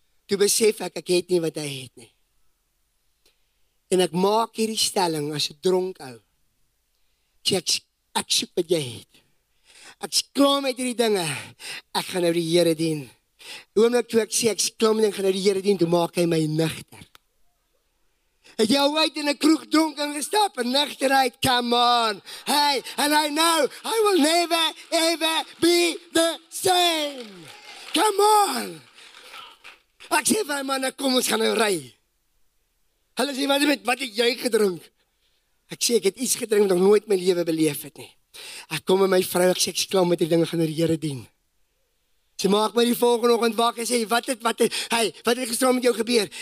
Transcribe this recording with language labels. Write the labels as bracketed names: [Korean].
[Afrikaans] Toe besef ek, ek het nie wat hy het nie. En ek maak hierdie stelling as ek dronk hou. Ek soek wat jy het. Ek is klaar met die dinge. Ek gaan nou die Here dien. Oomlik toe ek sê, ek is klaar met die dinge, gaan nou die Here dien, toe maak hy my nuchter. Het jou uit in die kroeg dronk en gestap, en nuchterheid, [English] come on. Hey, and I know, I will never, ever be the same. Come on. [Afrikaans] Ek sê vir my manne, kom, ons gaan nou ry. Hulle sê, wat het jy gedronk? Ek sê, ek het iets gedrink wat ek nooit my lewe beleef het nie. Ek kom met my vrou, ek sê, ek is klaar met die dinge, gaan die Here dien. Sy maak my die volgende oogend wakker, sê, wat het gestaan met jou gebeur?